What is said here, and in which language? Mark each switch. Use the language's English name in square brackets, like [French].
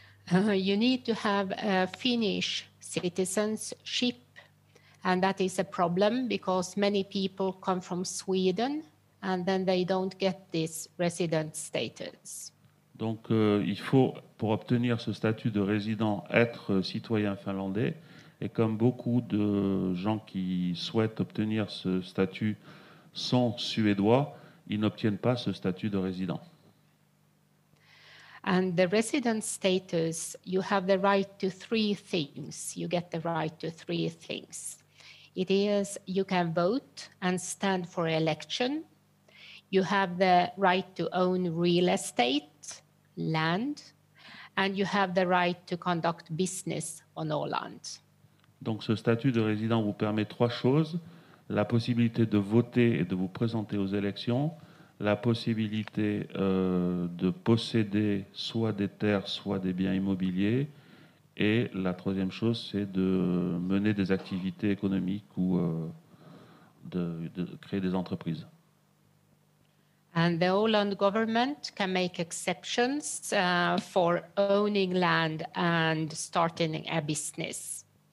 [English] You need to have a Finnish citizenship, and that is a problem because many people come from Sweden and then they don't get this resident status. [French] Donc il faut, pour obtenir ce statut de résident, être citoyen finlandais, et comme beaucoup de gens qui souhaitent obtenir ce statut sont suédois, ils n'obtiennent pas ce statut de résident. [English] And the resident status, you have the right to three things. You get the right to three things. It is, you can vote and stand for election. You have the right to own real estate, land. And you have the right to conduct business on Åland. [French] Donc ce statut de résident vous permet trois choses. La possibilité de voter et de vous présenter aux élections. La possibilité de posséder soit des terres, soit des biens immobiliers. Et la troisième chose, c'est de mener des activités économiques ou de créer des entreprises. [English] And the Åland government can make exceptions for owning land and starting a business.